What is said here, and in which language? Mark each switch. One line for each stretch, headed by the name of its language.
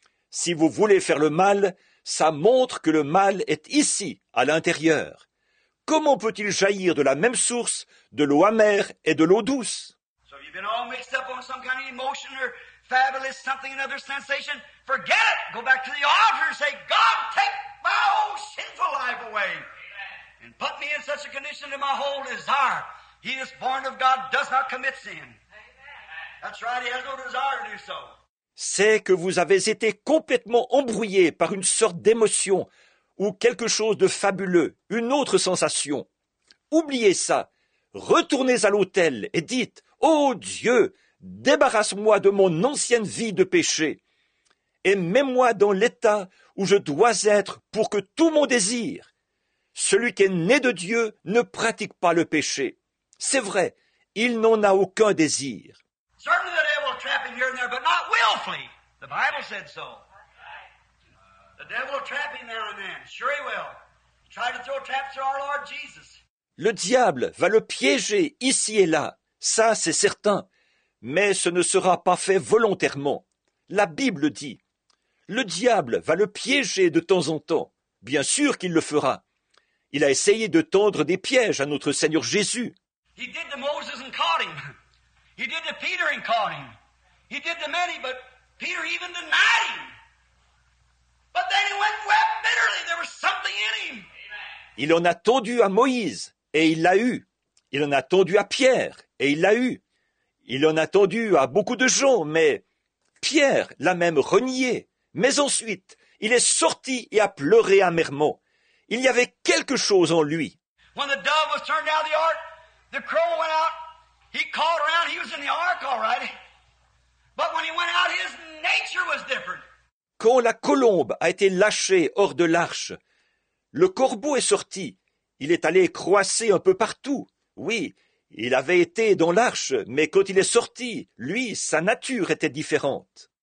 French: Si vous voulez faire le mal, ça montre que le mal est ici, à l'intérieur. Comment peut-il jaillir de la même source, de l'eau amère et de l'eau douce?
English: So you've been all mixed up on some kind of emotion or fabulous something, another sensation? Forget it! Go back to the altar and say, God, take my old sinful life away! Amen. And put me in such a condition that my whole desire, he that's born of God does not commit sin. Amen. That's right, he has no desire to do so.
French: C'est que vous avez été complètement embrouillé par une sorte d'émotion ou quelque chose de fabuleux, une autre sensation. Oubliez ça. Retournez à l'autel et dites, « Oh Dieu, débarrasse-moi de mon ancienne vie de péché et mets-moi dans l'état où je dois être pour que tout mon désir, celui qui est né de Dieu, ne pratique pas le péché. C'est vrai, il n'en a aucun désir. »
English: Trapping here and there, but not willfully. The Bible said so. The devil will trap him there and then. Sure he will. Try to throw traps through our Lord Jesus.
French: Le diable va le piéger ici et là. Ça, c'est certain. Mais ce ne sera pas fait volontairement. La Bible dit. Le diable va le piéger de temps en temps. Bien sûr qu'il le fera. Il a essayé de tendre des pièges à notre Seigneur Jésus.
English: He did to Moses and caught him. He did to Peter and caught him. He did to many, but Peter even denied him. But then he went and wept bitterly. There was something in him. Amen.
French: Il en a tendu à Moïse, et il l'a eu. Il en a tendu à Pierre, et il l'a eu. Il en a tendu à beaucoup de gens, mais Pierre l'a même renié. Mais ensuite, il est sorti et a pleuré amèrement. Il y avait quelque chose en lui.
English: When the dove was turned out of the ark, the crow went out. He called around. He was in the ark already. But when he went out, his nature was different.
French: Quand la colombe a été lâchée hors de l'arche, le corbeau est sorti. Il est allé croasser un peu partout. Oui, il avait été dans l'arche, mais quand il est sorti, lui, sa nature était différente.